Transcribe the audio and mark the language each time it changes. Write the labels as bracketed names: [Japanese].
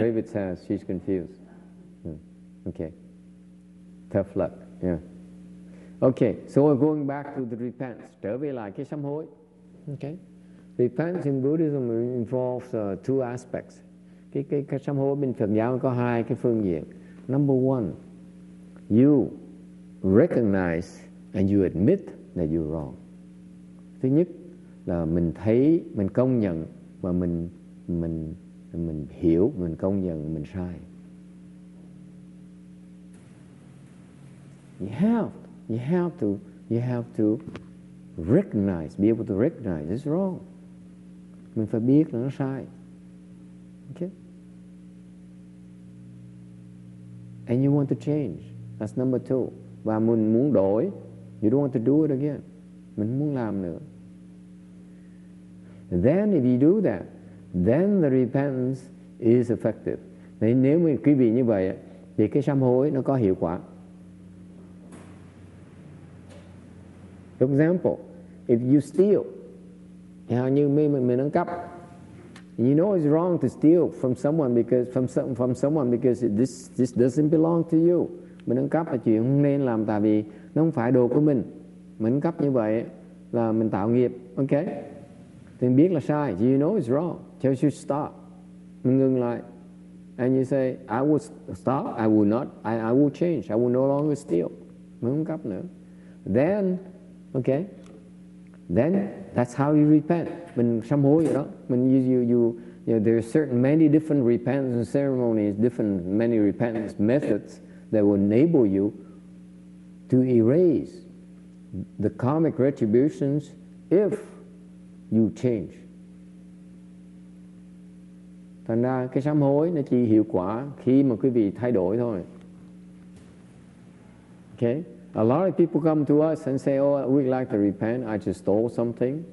[English] Travis says she's confused. Okay. Tough luck. Yeah. Okay. So we're going back to the repentance. [Vietnamese] Trở về lại cái sám hối. [English] Okay. Repentance in Buddhism involves two aspects. [Vietnamese] Cái sám hối bên Phật giáo có hai cái phương diện. [English] Number one, you recognize and you admit that you're wrong. [Vietnamese] Thứ nhất là mình thấy, mình công nhận và mình hiểu, mình công nhận mình sai. [English] You have to recognize, be able to recognize it's wrong. [Vietnamese] Mình phải biết là nó sai. Okay? [English] And you want to change. That's number two. [Vietnamese] Và mình muốn đổi. [English] You don't want to do it again. [Vietnamese] Mình muốn làm nữa. [English] Then if you do that, then the repentance is effective. [Vietnamese] Nên nếu mà quý vị như vậy, thì cái sám hối nó có hiệu quả. [English] For example, if you steal, how [Vietnamese] như mình ăn cắp, [English] you know it's wrong to steal from someone because from someone because this doesn't belong to you. [Vietnamese] Mình ăn cắp là chuyện không nên làm, tại vì nó không phải đồ của mình. Mình ăn cắp như vậy là mình tạo nghiệp, okay? Thì biết là sai. [English] You know it's wrong. So you stop. [Vietnamese] Mình ngừng lại. [English] And you say, I will stop. I will not. I will change. I will no longer steal. [Vietnamese] Mình không cắp nữa. [English] Then, okay? Then that's how you repent. [Vietnamese] Mình sám hối vậy đó. [English] Mình you know, there are certain many different repentance ceremonies, different many repentance methods that will enable you to erase the karmic retributions if you change. [Vietnamese] Thành ra cái sám hối nó chỉ hiệu quả khi mà quý vị thay đổi thôi. [English] Okay? A lot of people come to us and say, oh, we'd like to repent. I just stole something.